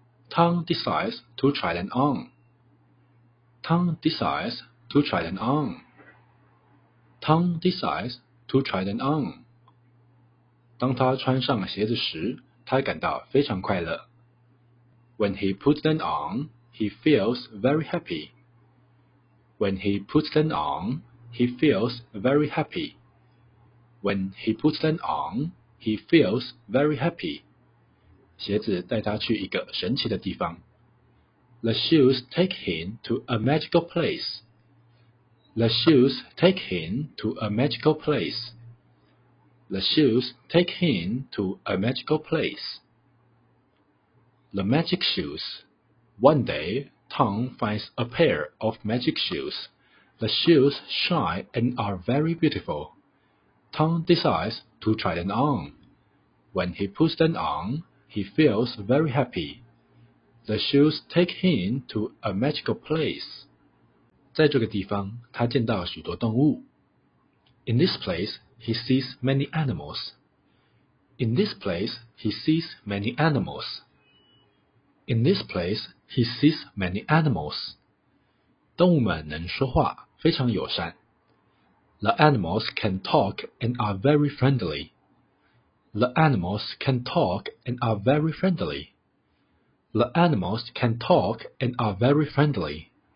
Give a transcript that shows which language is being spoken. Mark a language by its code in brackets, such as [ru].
[en] Tom decides to try them on. Tom decides to try them on. Tom decides to try them on. [zh] 当他穿上鞋子时，他感到非常快乐。 [en] When he puts them on, he feels very happy. When he puts them on, he feels very happy. When he puts them on, he feels very happy. [zh] 鞋子带他去一个神奇的地方。 [en] The shoes take him to a magical place. The shoes take him to a magical place. The shoes take him to a magical place. The magic shoes. One day, Tom finds a pair of magic shoes. The shoes shine and are very beautiful. Tom decides to try them on. When he puts them on,He feels very happy. The shoes take him to a magical place. [zh] 在这个地方，他见到许多动物。 [en] In this place, he sees many animals. In this place, he sees many animals. In this place, he sees many animals. [zh] 动物们能说话，非常友善。 [en] The animals can talk and are very friendly. The animals can talk and are very friendly. The animals can talk and are very friendly.